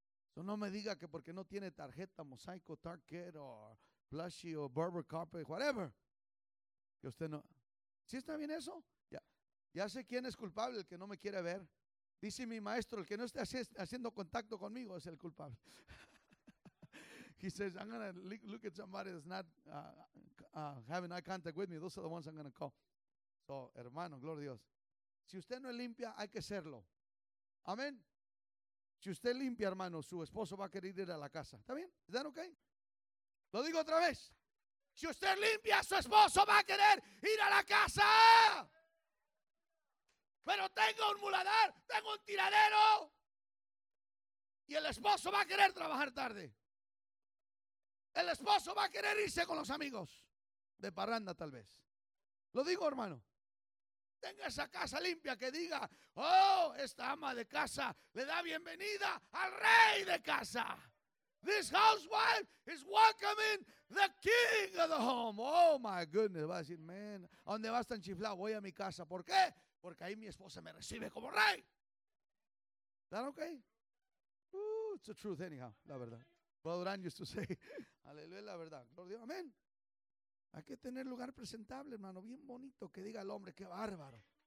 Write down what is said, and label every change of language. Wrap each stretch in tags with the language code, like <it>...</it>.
<es>Eso no me diga que porque no tiene tarjeta, mosaico, target, o plushy, o barber carpet,</es> <en>whatever.</en> <es>Que usted no. ¿Sí está bien eso? Ya sé quién es culpable, el que no me quiere ver. Dice mi maestro, el que no esté haciendo contacto conmigo es el culpable.</es> <en>He says, I'm going to look at somebody that's not having eye contact with me. Those are the ones I'm going to call.</en> <es>So, hermano, gloria a Dios. Si usted no es limpia, hay que serlo. Amén. Si usted limpia, hermano, su esposo va a querer ir a la casa. ¿Está bien? ¿Está ok? Lo digo otra vez. Si usted limpia, su esposo va a querer ir a la casa. Pero tengo un muladar, tengo un tiradero. Y el esposo va a querer trabajar tarde. El esposo va a querer irse con los amigos. De parranda tal vez. Lo digo, hermano. Tenga esa casa limpia que diga, oh, esta ama de casa le da bienvenida al rey de casa.</es> <en>This housewife is welcoming the king of the home. Oh my goodness,</en> <es>va a decir,</es> <en>man,</en> <es>¿a dónde vas tan chiflado? Voy a mi casa, ¿por qué? Porque ahí mi esposa me recibe como rey. ¿Está ok?</es> <en>It's the truth anyhow,</en> <es>la verdad.</es> <en>Brother Ran used to say,</en> <es>aleluya, la verdad. Gloria a Dios, amén. Hay que tener lugar presentable, hermano, bien bonito, que diga el hombre, qué bárbaro.</es>